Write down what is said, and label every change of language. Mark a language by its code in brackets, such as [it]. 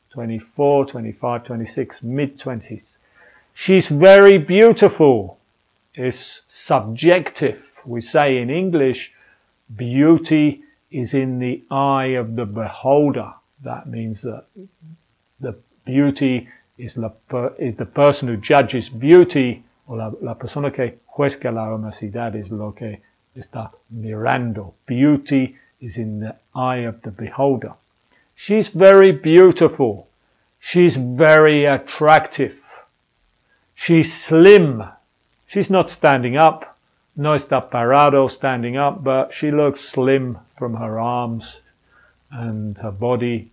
[en] 24, 25, 26, mid-20s. She's very beautiful. It's subjective. We say in English, beauty is in the eye of the beholder. That means that the beauty is the person who judges beauty [es] o la persona que juzga la hermosidad es lo que está mirando. [en] Beauty is in the eye of the beholder. She's very beautiful. She's very attractive. She's slim. She's not standing up. [es] No está parado [en] standing up, but she looks slim from her arms and her body.